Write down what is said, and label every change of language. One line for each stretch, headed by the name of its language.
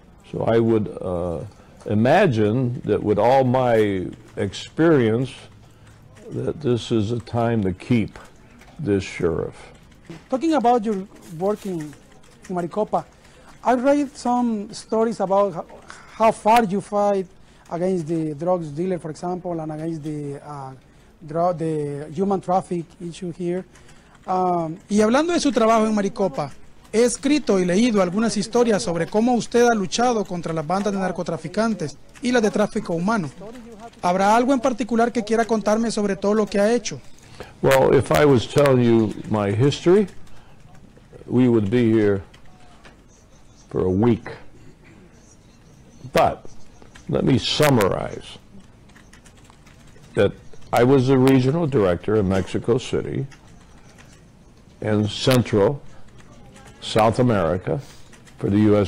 English: So I would imagine that with all my experience, that this is a time to keep this sheriff. Talking about your work in Maricopa, I read some stories about how far you fight against the drugs dealer, for example, and against the human traffic issue here.
Spanish: Y hablando de su trabajo en Maricopa, he escrito y leído algunas historias sobre cómo usted ha luchado contra las bandas de narcotraficantes y la de tráfico humano. ¿Habrá algo en particular que quiera contarme sobre todo lo que ha hecho?
English: Well, if I was telling you my history, we would be here for a week. But let me summarize that I was the regional director in Mexico City and Central South America for the U.S.